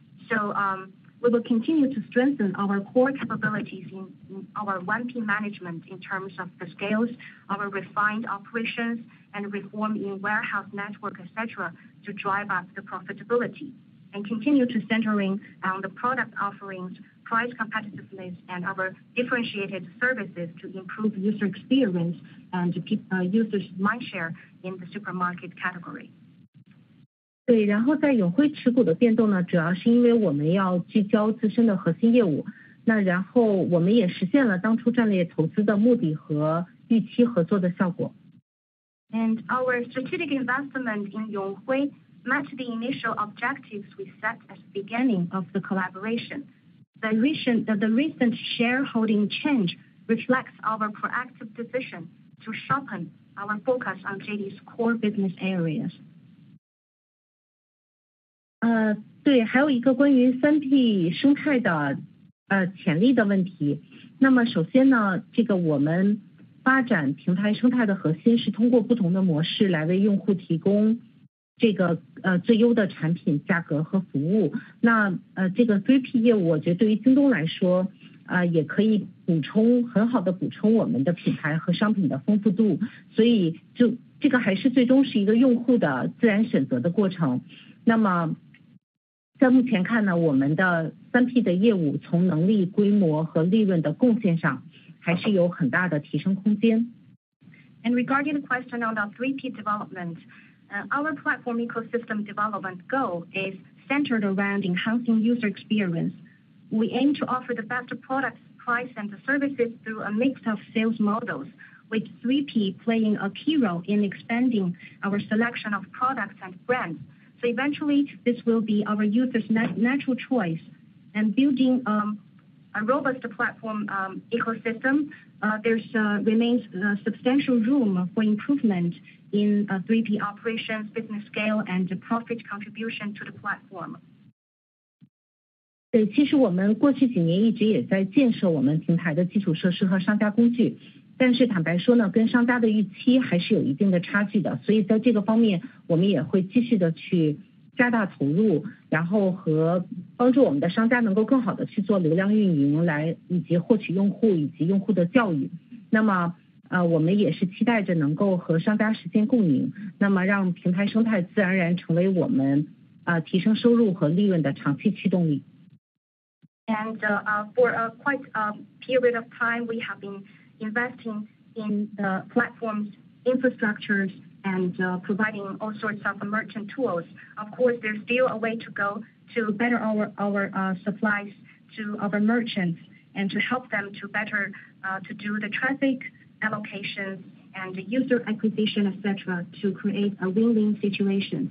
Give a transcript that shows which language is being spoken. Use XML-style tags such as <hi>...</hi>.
<en>So we will continue to strengthen our core capabilities in our 1P management in terms of the scales, our refined operations, and reform in warehouse network, et cetera, to drive up the profitability and continue to centering on the product offerings price competitiveness and our differentiated services to improve user experience and users' mindshare in the supermarket category.</en> <zh>对，然后在永辉持股的变动呢，主要是因为我们要聚焦自身的核心业务。那然后我们也实现了当初战略投资的目的和预期合作的效果。</zh> <en>And our strategic investment in Yonghui matched the initial objectives we set at the beginning of the collaboration. The recent shareholding change reflects our proactive decision to sharpen our focus on JD's core business areas.</en> <zh>对，还有一个关于 3P 生态的潜力的问题。那么首先呢，这个我们发展平台生态的核心是通过不同的模式来为用户提供这个最优的产品价格和服务。那这个 3P 业务我觉得对于京东来说也可以很好的补充我们的品牌和商品的丰富度。所以就这个还是最终是一个用户的自然选择的过程。那么在目前看呢，我们的 3P 的业务从能力、规模和利润的贡献上还是有很大的提升空间。</zh> <en>And regarding the question on the 3P development, our platform ecosystem development goal is centered around enhancing user experience. We aim to offer the best products, price and services through a mix of sales models, with 3P playing a key role in expanding our selection of products and brands. So eventually, this will be our users' natural choice. And building a robust platform ecosystem, there remains substantial room for improvement in 3P operations, business scale, and profit contribution to the platform.</en> <zh>对，其实我们过去几年一直也在建设我们平台的基础设施和商家工具。但是坦白说呢，跟商家的预期还是有一定的差距的，所以在这个方面我们也会继续的去加大投入，然后和帮助我们的商家能够更好的去做流量运营，来以及获取用户以及用户的教育。那么我们也是期待着能够和商家实现共赢，那么让平台生态自然而然成为我们提升收入和利润的长期驱动力。</zh> <en>And for a period of time we have beeninvesting in the platforms, infrastructures, and providing all sorts of merchant tools. Of course, there's still a way to go to better our supplies to our merchants and to help them to better to do the traffic allocations and the user acquisition, etc., to create a win-win situation.</en>